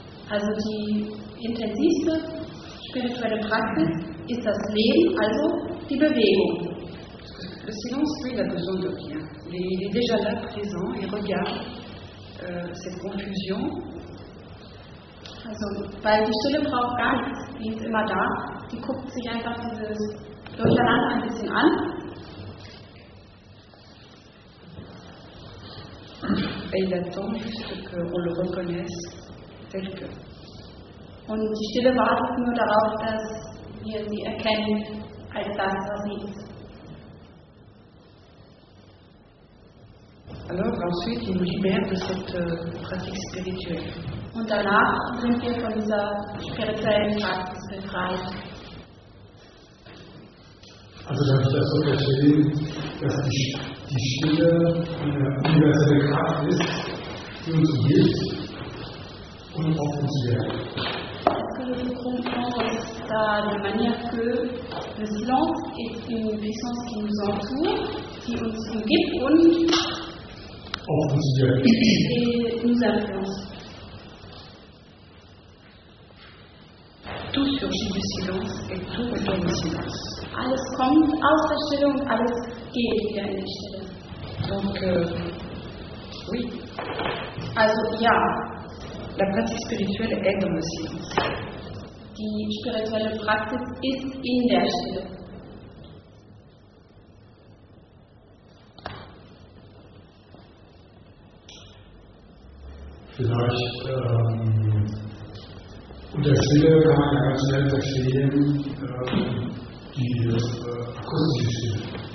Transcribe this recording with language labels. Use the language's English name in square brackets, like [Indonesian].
[German] Also die intensivste spirituelle Praxis ist das Leben, also die Bewegung. [French] Le silence, lui, il a besoin de rien. Il est déjà là, présent, il regarde cette confusion. [German] Also, weil die Stille braucht gar nichts, die ist immer da, die guckt sich einfach dieses Durcheinander ein bisschen an. [French] Et il attend juste qu'on le reconnaisse tel que. [German] Und die Stille wartet nur darauf, dass wir sie erkennen als das, was sie ist. [French] Alors ensuite, il nous libère de cette pratique spirituelle. [German] Und danach sind wir von dieser spirituellen Praxis befreit. Also darf ich das so verstehen, dass die Stille eine universelle Kraft ist, die uns hilft und offen zu werden. [French] Ce que je peux comprendre, c'est de manière que le silence est une puissance qui nous entoure, [German] die uns umgibt und offen zu werden. [French] Et nous influence. Tout surgit du silence et tout est dans le silence. [German] Alles kommt aus der Stille und alles geht wieder in die Stille. [French] Donc, oui. [German] Also, ja. [French] La pratique spirituelle est dans le silence. [German] Die spirituelle Praxis ist in der Stille. Vielleicht, unter Stille kann man ja ganz schnell verstehen, die akustische Stille.